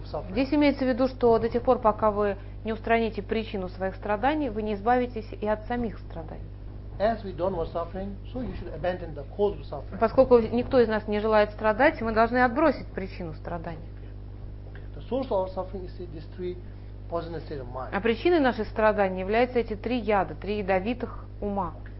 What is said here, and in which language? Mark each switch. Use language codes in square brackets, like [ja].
[ru] Здесь имеется в виду, что до тех пор, пока вы не устраните причину своих страданий, вы не избавитесь и от самих страданий. [en] As we don't want suffering, so you should abandon the cause of suffering. [ru] Поскольку никто из нас не желает страдать, мы должны отбросить причину страдания. [en] The source of our suffering is these three poisonous states of mind. [ru] А причиной наших страданий являются эти три яда, три ядовитых ума.